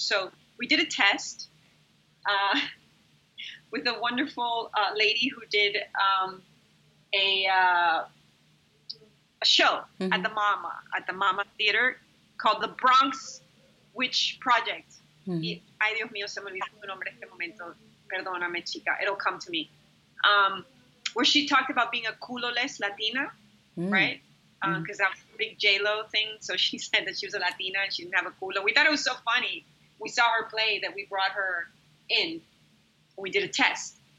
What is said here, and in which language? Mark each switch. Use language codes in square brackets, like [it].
[en] So we did a test with a wonderful lady who did a show, mm-hmm. at the MAMA Theater called The Bronx Witch Project. Mm-hmm. [es] Ay, Dios mío, se me olvidó tu nombre este momento. Perdóname, chica. [en] It'll come to me. Where she talked about being a culoless Latina, right? Because that was a big J-Lo thing. So she said that she was a Latina and she didn't have a culo. We thought it was so funny. We saw her play that we brought her in. We did a test.